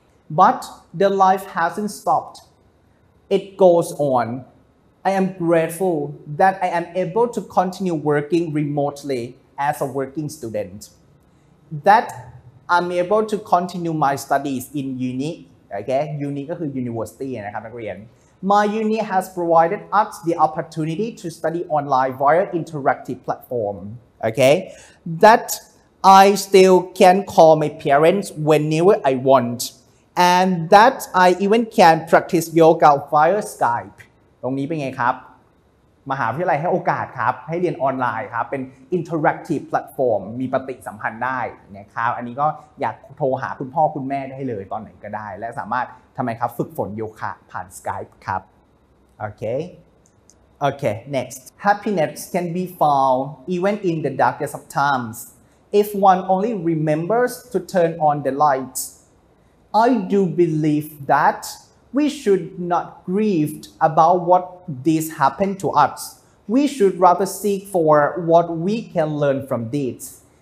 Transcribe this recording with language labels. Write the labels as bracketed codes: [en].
[en] But the life hasn't stopped. It goes on. I am grateful that I am able to continue working remotely as a working student. That I'm able to continue my studies in uni. Okay, [th] uni ก็คือ university นะครับนักเรียน. [en] My uni has provided us the opportunity to study online via interactive platform. Okay, that I still can call my parents whenever I want, and that I even can practice yoga via Skype. [th] ตรงนี้เป็นไงครับ มหาวิทยาลัยให้โอกาสครับให้เรียนออนไลน์ครับเป็น interactive platform มีปฏิสัมพันธ์ได้ นะครับอันนี้ก็อยากโทรหาคุณพ่อคุณแม่ได้เลยตอนไหนก็ได้และสามารถทำไมครับฝึกฝนโยคะผ่าน Skype ครับโอเคโอเค [en] next happiness can be found even in the darkest of times if one only remembers to turn on the light I do believe thatWe should not grieve about what this happened to us. We should rather seek for what we can learn from this.